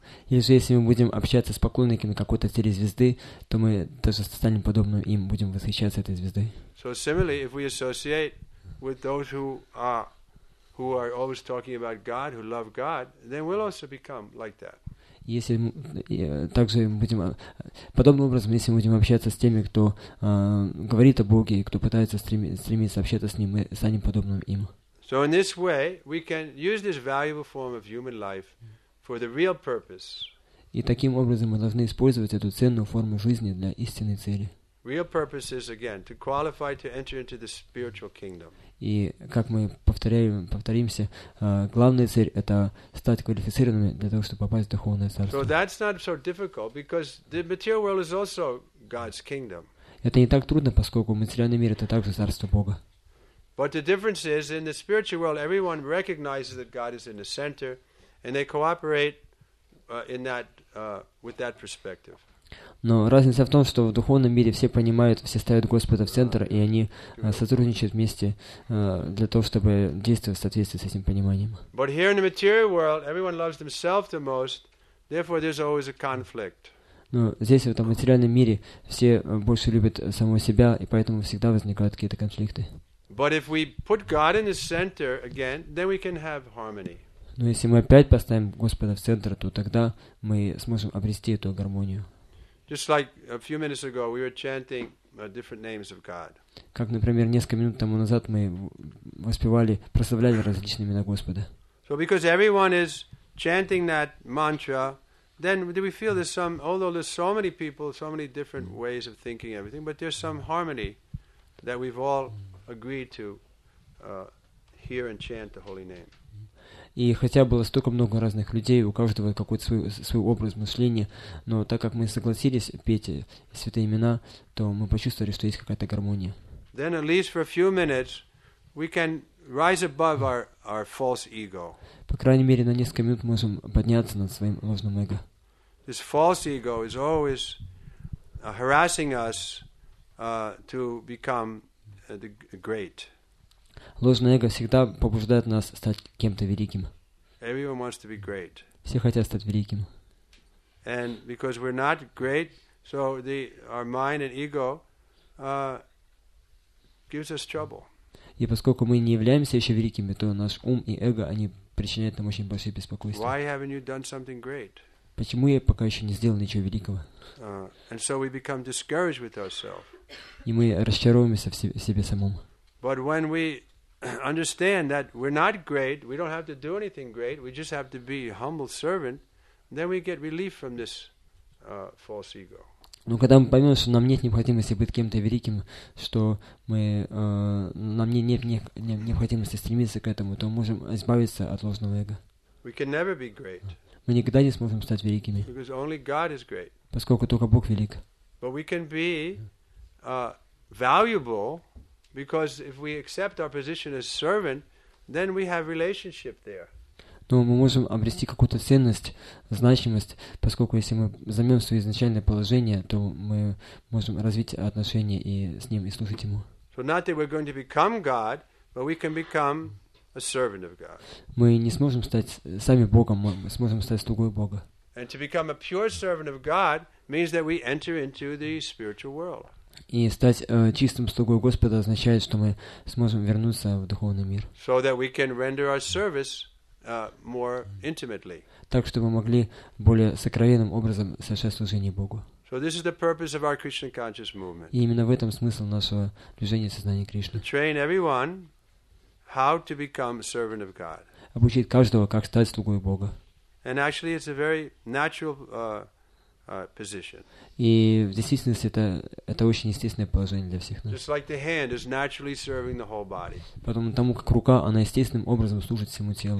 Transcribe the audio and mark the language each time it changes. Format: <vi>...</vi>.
<ru>Если мы будем общаться с поклонниками какой-то телезвезды, то мы тоже станем подобным им, будем восхищаться этой звездой.</ru> <en>So similarly, if we associate with those who are always talking about God, who love God, then we'll also become like that.</en> <ru>Если также будем подобным образом, если мы будем общаться с теми, кто говорит о Боге и кто пытается стремиться общаться с ним, мы станем подобным им.</ru> <en>So in this way, we can use this valuable form of human life for the real purpose.</en> <ru>И таким образом мы должны использовать эту ценную форму жизни для истинной цели.</ru> <en>Real purpose is again to qualify to enter into the spiritual kingdom.</en> <ru>И как мы повторимся, главная цель это стать квалифицированными для того, чтобы попасть в духовное царство.</ru> <en>So that's not so difficult because the material world is also God's kingdom.</en> <ru>Это не так трудно, поскольку материальный мир — это также царство Бога.</ru> <en>But the difference is, in the spiritual world, everyone recognizes that God is in the center, and they cooperate in that with that perspective.</en> <ru>Но разница в том, что в духовном мире все понимают, все ставят Господа в центр, и они сотрудничают вместе для того, чтобы действовать в соответствии с этим пониманием.</ru> <en>But here in the material world, everyone loves themselves the most, therefore there's always a conflict.</en> <ru>Но здесь, в этом материальном мире, все больше любят самого себя, и поэтому всегда возникают какие-то конфликты.</ru> <en>But if we put God in the center again, then we can have harmony.</en> <ru>Но если мы опять поставим Господа в центр, то тогда мы сможем обрести эту гармонию.</ru> <en>Just like a few minutes ago, we were chanting different names of God.</en> <ru>Как, например, несколько минут тому назад мы воспевали, прославляли различные имена Господа.</ru> <en>So because everyone is chanting that mantra, then do we feel there's some, although there's so many people, so many different ways of thinking everything, but there's some harmony that we've all agreed to hear and chant the holy name.</en> <ru>И хотя было столько много разных людей, у каждого какой-то свой образ мышления, но так как мы согласились петь святые имена, то мы почувствовали, что есть какая-то гармония.</ru> <en>Then at least for a few minutes we can rise above our false ego.</en> <ru>По крайней мере, на несколько минут мы можем подняться над своим ложным эго.</ru> <en>This false ego is always harassing us to become the great.</en> <ru>Ложное эго всегда побуждает нас стать кем-то великим.</ru> <en>Everyone wants to be great.</en> <ru>Все хотят стать великим.</ru> <en>And because we're not great, so our mind and ego gives us trouble.</en> <ru>И поскольку мы не являемся еще великими, то наш ум и эго, они причиняют нам очень большое беспокойство.</ru> <en>Why haven't you done something great?</en> <ru>Почему я пока еще не сделал ничего великого?</ru> <en>And so we become discouraged with ourselves.</en> <ru>И мы расчаровываемся в себе самом.</ru> <en>But when we understand that we're not great, we don't have to do anything great, we just have to be a humble servant, then we get relief from this false ego.</en> <ru>Но когда мы поймем, что нам нет необходимости быть кем-то великим, что мы нам нет необходимости стремиться к этому, то мы можем избавиться от ложного эго.</ru> <en>We can never be great.</en> <ru>Мы никогда не сможем стать великими.</ru> <en>Because only God is great.</en> <ru>Поскольку только Бог велик.</ru> <en>But we can be valuable. Because if we accept our position as servant, then we have relationship there.</en> <ru>Но мы можем обрести какую-то ценность, значимость, поскольку если мы займем свое изначальное положение, то мы можем развить отношения и с ним, и служить ему.</ru> <en>So not that we're going to become God, but we can become a servant of God.</en> <ru>Мы не сможем стать сами Богом, мы сможем стать слугой Бога.</ru> <en>And to become a pure servant of God means that we enter into the spiritual world.</en> <ru>И стать чистым слугой Господа означает, что мы сможем вернуться в духовный мир.</ru> <en>So that we can render our service more intimately.</en> <ru>Так, чтобы мы могли более сокровенным образом совершать служение Богу.</ru> <en>So this is the purpose of our Krishna conscious movement.</en> <ru>И именно в этом смысл нашего движения сознания Кришны.</ru> <en>To train everyone how to become a servant of God.</en> <ru>Обучить каждого, как стать слугой Бога.</ru> <en>And actually it's a very natural position.</en> <ru>И в действительности это очень естественное положение для всех нас.</ru> <en>Just like the hand is naturally serving the whole body.</en> <ru>Потому тому, как рука, она естественным образом служит всему телу.</ru>